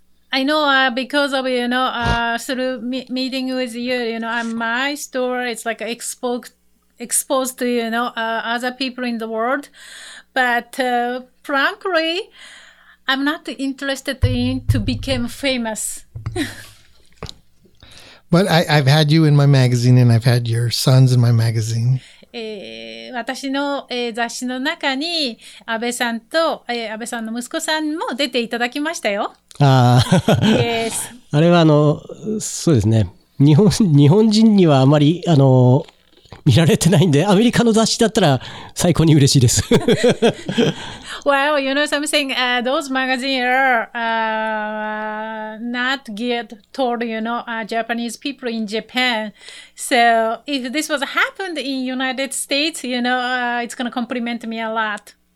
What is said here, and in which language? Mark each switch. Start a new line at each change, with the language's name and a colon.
English: I know because of, you know, through meeting with you, you know, my store is like exposed to, you know, other people in the world. But frankly, I'm not interested in to become famous. But I've had you in my magazine and I've had your sons in my magazine.
Japanese: 私の、雑誌の中に安倍さんと、安倍さんの息子さんも出ていただきましたよ。ああ、あれはそうですね、日本人にはあまり見られてないんで、アメリカの雑誌だったら最高に嬉しいです。
English: Well, you know something, those magazines are not geared toward, you know, Japanese people in Japan. So if this was happened in United States, you know, it's going to compliment me a lot.